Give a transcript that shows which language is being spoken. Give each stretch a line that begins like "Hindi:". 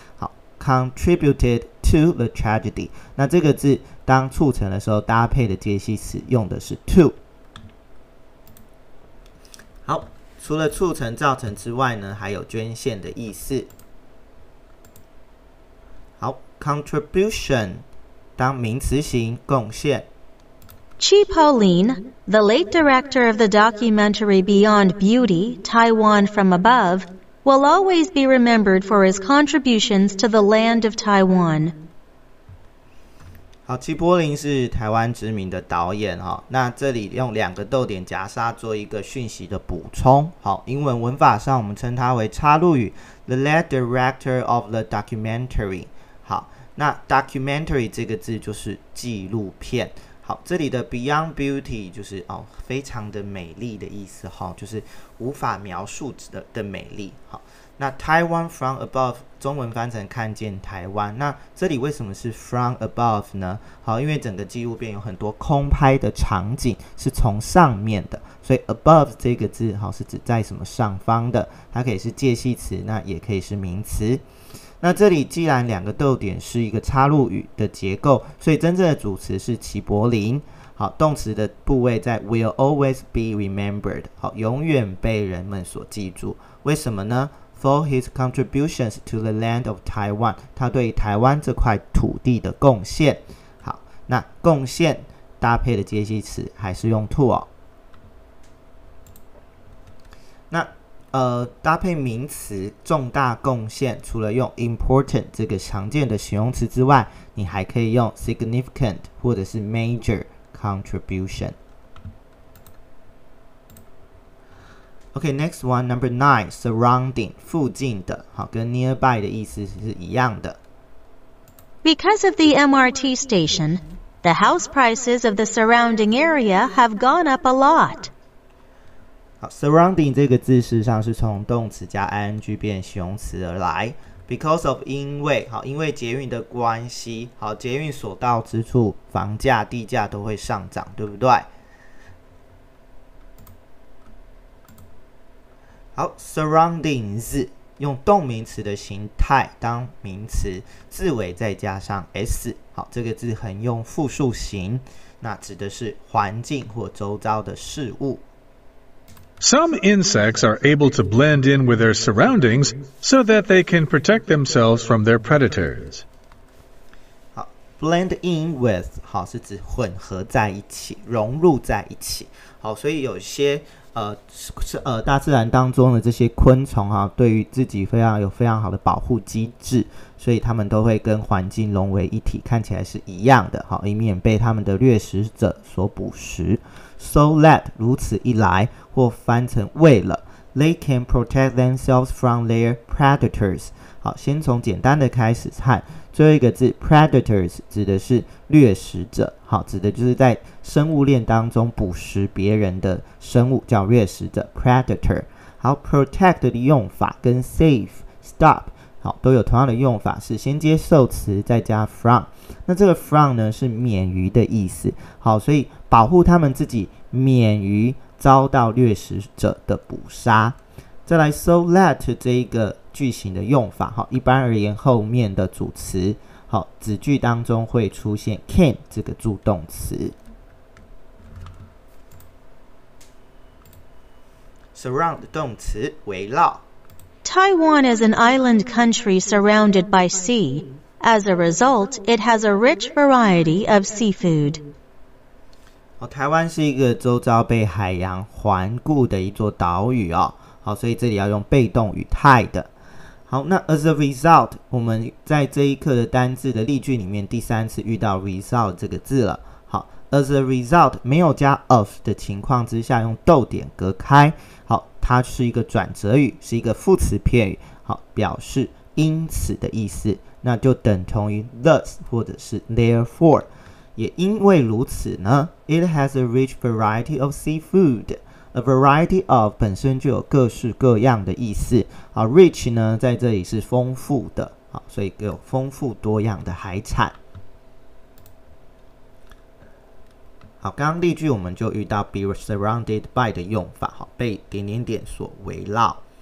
Chinese: 好，
English: contributed to the tragedy，
Chinese: 那这个字当促成的时候搭配的介系词用的是 to。好，除了促成造成之外呢，还有捐献的意思。好， contribution 当名词型贡献。
English: Chipo Lin, the late director of the documentary Beyond Beauty, Taiwan from Above, will always be remembered for his contributions to the land of Taiwan.
Chinese: 好，齐柏林是台湾知名的导演哈。那这里用两个逗点夹杀做一个讯息的补充。好，英文文法上我们称它为插入语 ，
English: the late director of the documentary。
Chinese: 好，那 documentary 这个字就是纪录片。好，这里的 Beyond Beauty 就是哦，非常的美丽的意思哈、哦，就是无法描述的美丽。好，那 Taiwan from above 中文翻成看见台湾。那这里为什么是 from above 呢？好，因为整个纪录片有很多空拍的场景是从上面的，所以 above 这个字好、哦、是指在什么上方的，它可以是介系词，那也可以是名词。那这里既然两个逗点是一个插入语的结构，所以真正的主词是齐柏林。好，动词的部位在
English: will always be remembered，
Chinese: 好，永远被人们所记住。为什么呢？
English: For his contributions to the land of Taiwan，
Chinese: 他对台湾这块土地的贡献。好，那贡献搭配的介系词还是用 to 哦。那搭配名词重大贡献，除了用 important 这个常见的形容词之外，你还可以用 significant 或者是 major contribution。
English: OK， next one， number 9， surrounding， 附近的。
Chinese: 好，跟 nearby 的意思是一样的。
English: Because of the MRT station， the house prices of the surrounding area have gone up a lot。
Chinese: Surrounding 这个字事实上是从动词加 ing 变形容词而来。 Because of 因为，好，因为捷运的关系，好，捷运所到之处，房价、地价都会上涨，对不对？好 ，surroundings 用动名词的形态当名词，字尾再加上 s， 好，这个字横用复数形，那指的是环境或周遭的事物。
English: Some insects are able to blend in with their surroundings so that they can protect themselves from their predators.
Chinese: 好， blend in with， 好，是指混合在一起，融入在一起。好，所以有些大自然当中的这些昆虫啊，对于自己非常有非常好的保护机制，所以他们都会跟环境融为一体，看起来是一样的，好，以免被他们的掠食者所捕食。So that 如此一来，或翻成为了，
English: they can protect themselves from their predators.
Chinese: 好，先从简单的开始看，最后一个字 predators 指的是掠食者，好，指的就是在生物链当中捕食别人的生物叫掠食者 predator。好， protect 的用法跟 save stop 好都有同样的用法，是先接受词再加 from。那这个 from 呢是免于的意思，好，所以保护他们自己免于遭到掠食者的捕杀。再来 so let 这一个句型的用法，好，一般而言后面的主词好子句当中会出现 can 这个助动词。 surround 动词围绕。
English: Taiwan is an island country surrounded by sea. As a result, it has a rich variety of seafood.
Chinese: 好，台湾是一个周遭被海洋环顾的一座岛屿哦，好，所以这里要用被动语态的。好，那 as a result 我们在这一课的单字的例句里面第三次遇到 result 这个字了。好， as a result 没有加 of 的情况之下用逗点隔开，好，它是一个转折语，是一个副词片语，好，表示因此的意思，那就等同于 thus 或者是 therefore。也因为如此呢，
English: it has a rich variety of seafood。
Chinese: A variety of 本身就有各式各样的意思，好 ，rich 呢在这里是丰富的，好，所以有丰富多样的海产。好，刚刚例句我们就遇到 be surrounded by 的用法，好，被点点点所围绕。